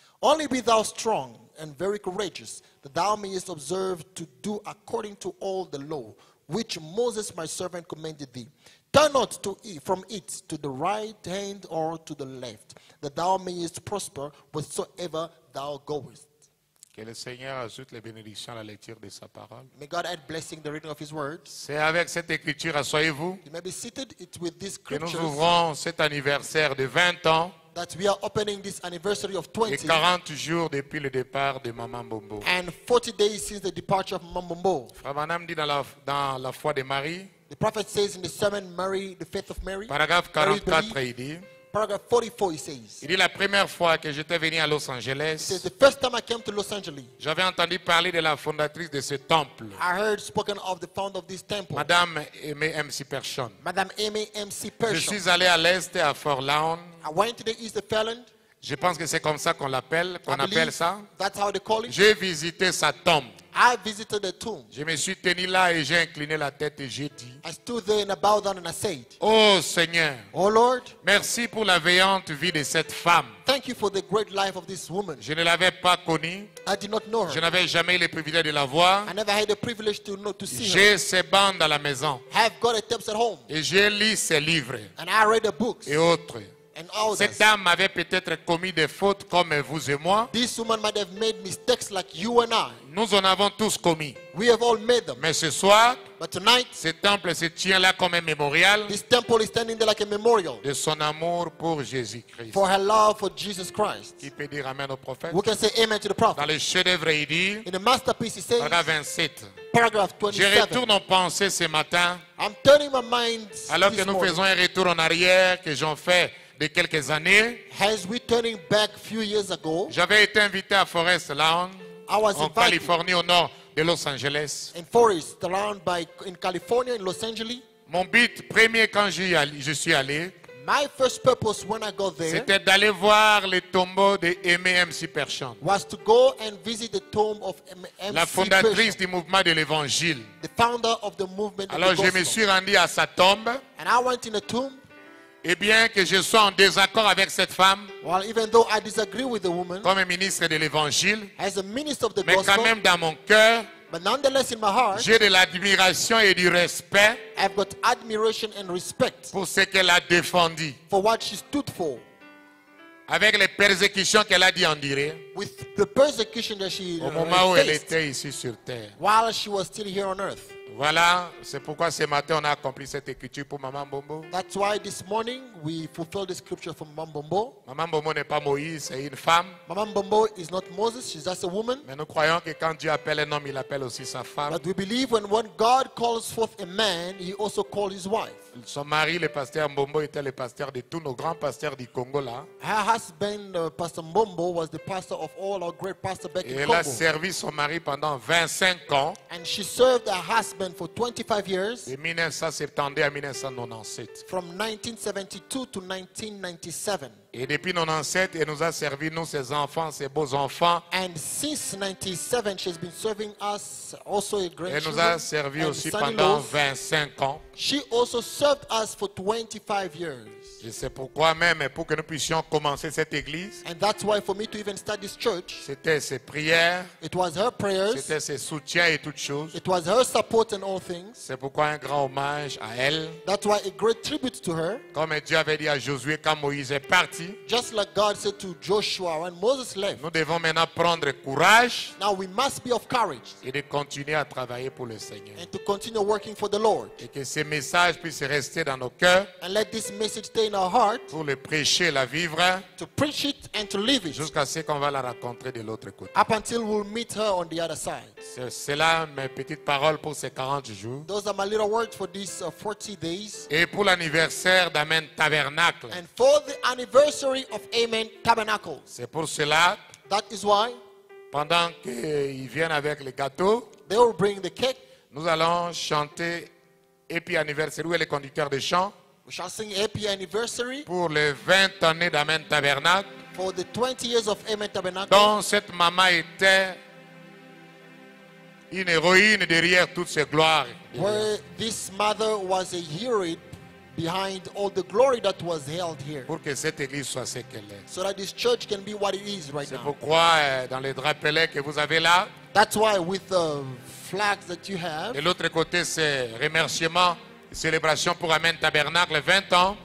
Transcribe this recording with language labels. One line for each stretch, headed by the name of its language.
English: Only be thou strong and very courageous, that thou mayest observe to do according to all the law which Moses my servant commanded thee. Turn not from it to the right hand or to the left, that thou mayest prosper whatsoever thou goest.
French: Que le Seigneur ajoute les bénédictions à la lecture de sa parole.
English: May God add blessing the reading of his word.
French: C'est avec cette écriture, asseyez-vous.
English: You may be seated. It's with this scripture.
French: Que nous ouvrons cet anniversaire de 20 ans.
English: That we are opening this anniversary of 20.
French: Et 40 jours depuis le départ de Maman Bombo.
English: And 40 days since the departure of Maman Bombo.
French: Frère Manam dit dans la foi de Marie.
English: The prophet says in the sermon, Mary, the faith of Mary.
French: Paragraphe 44, Mary, il dit.
English: Paragraph 44, he says.
French: Il dit la première fois que j'étais venu à Los Angeles.
English: He says the first time I came to Los Angeles.
French: J'avais entendu parler de la fondatrice de ce temple.
English: I heard spoken of the founder of this temple.
French: Madame Amy M.C. Pershing.
English: Madame Amy M.C. Pershing.
French: Je suis allé à l'est à Fort Lawn.
English: I went to the east of Fort Lawn.
French: Je pense que c'est comme ça qu'on l'appelle, qu'on appelle ça.
English: That's how they call it.
French: J'ai visité sa tombe.
English: I visited the tomb.
French: Je me suis tenu là et j'ai incliné la tête et j'ai dit.
English: I stood there and I bowed down and I said.
French: Oh Seigneur.
English: Oh Lord.
French: Merci pour la veillante vie de cette femme.
English: Thank you for the great life of this woman.
French: Je ne l'avais pas connue.
English: I did not know her.
French: Je n'avais jamais eu le privilège de la voir.
English: I never had the privilege to know to see
French: j'ai J'ai ses bandes à la maison.
English: I have got her tapes at home.
French: Et j'ai lu ses livres.
English: And I read the books.
French: Et autres.
English: And all
French: cette dame avait peut-être commis des fautes comme vous et moi.
English: This woman might have made mistakes like you and I.
French: Nous en avons tous commis.
English: We have all made them.
French: Mais ce soir,
English: but tonight,
French: ce temple se tient là comme un mémorial.
English: This temple is standing there like a memorial.
French: De son amour pour Jésus-Christ.
English: For her love for Jesus Christ.
French: Qui peut dire amen au prophète?
English: Who can say amen to the prophet?
French: Dans le chef-d'œuvre, il dit.
English: In the masterpiece, he says.
French: Paragraphe 27.
English: Paragraph 27.
French: Je retourne en pensée ce matin.
English: I'm turning my mind.
French: Alors que nous
English: morning.
French: Faisons un retour en arrière, que j'en fais. De quelques années,
English: as we turning back few years ago,
French: j'avais été invité à Forest Lawn, en Californie au nord de Los Angeles.
English: In Forest Lawn, in California, in Los Angeles.
French: Mon but premier quand je suis allé,
English: my first purpose when I got there,
French: c'était d'aller voir le tombeau de Amy M.C. Pershing.
English: Was to go and visit the tomb of M.C.
French: La fondatrice Pershing, du mouvement de l'Évangile.
English: The founder of the movement.
French: Alors
English: of the
French: je me suis rendu à sa tombe.
English: And I went in the tomb.
French: Et bien que je sois en désaccord avec cette femme,
English: well, even though I disagree with the woman,
French: comme un ministre de l'Évangile,
English: as a minister of the
French: mais
English: gospel,
French: quand même dans mon cœur,
English: but nonetheless in my heart,
French: j'ai de l'admiration et du respect,
English: I've got admiration and respect
French: pour ce qu'elle a défendu,
English: for what she stood for,
French: avec les persécutions qu'elle a dû endurer,
English: with the persecution that she
French: au moment où elle était ici sur terre.
English: While she was still here on earth.
French: Voilà, c'est pourquoi ce matin on a accompli cette écriture pour Maman Bombo.
English: That's why this morning we fulfilled the scripture for Maman Bombo.
French: Maman Bombo n'est pas Moïse, c'est une femme.
English: Maman Bombo is not Moses, she's just a woman.
French: Mais nous croyons que quand Dieu appelle un homme, il appelle aussi sa femme.
English: But we believe when God calls forth a man, he also calls his wife.
French: Son mari, le pasteur Mbombo, était le pasteur de tous nos grands pasteurs du Congo là.
English: Her husband, Pastor Mbombo, was the pastor of all our great pastors back in Congo.
French: Elle a servi son mari pendant 25 ans.
English: And she served her husband for 25 years.
French: De 1972 à 1997.
English: From 1972 to 1997.
French: Et depuis 97, elle nous a servi, nous, ses enfants, ses beaux-enfants.
English: And since 97, she's been serving us also a great.
French: Elle nous a servi aussi pendant 25 ans.
English: She also served us for 25 years.
French: Je sais pourquoi même, pour que nous puissions commencer cette église.
English: And that's why for me to even start this church.
French: C'était ses prières.
English: It was her prayers.
French: C'était ses soutiens et toutes choses.
English: It was her support and all things.
French: C'est pourquoi un grand hommage à elle.
English: That's why a great tribute to her.
French: Comme Dieu avait dit à Josué quand Moïse est parti.
English: Just like God said to Joshua when Moses left.
French: Nous devons maintenant prendre courage.
English: Now we must be of courage.
French: Et de continuer à travailler pour le Seigneur.
English: And to continue working for the Lord.
French: Et que ce message puisse rester dans nos cœurs.
English: And let this message stay in our heart.
French: Pour le prêcher, la vivre.
English: To preach it and to live it.
French: Jusqu'à ce qu'on va la rencontrer de l'autre côté.
English: Up until we'll meet her on the other side.
French: C'est là mes petites paroles pour ces 40 jours.
English: Those are my little words for these 40 days.
French: Et pour l'anniversaire d'Amen Tabernacle.
English: And for the anniversary of Amen Tabernacle.
French: C'est pour cela.
English: That is why.
French: Pendant qu'ils viennent avec les gâteaux,
English: they will bring the cake.
French: Nous allons chanter Happy Anniversary. Où est le conducteur de chant?
English: We shall sing Happy Anniversary.
French: Pour les 20 années d'Amen Tabernacle.
English: For the 20 years of Amen Tabernacle.
French: Dont cette maman était une héroïne derrière toutes ses gloires.
English: Where this mother was a hero. Behind all the glory that was held here.
French: Pour que cette église soit ce qu'elle est.
English: So that this church can be what it is right
French: c'est
English: now.
French: Pourquoi, dans les drapelets que vous avez là,
English: that's why with the flags that you have.
French: Et l'autre côté, c'est remerciement, célébration pour Amen Tabernacle, 20 ans.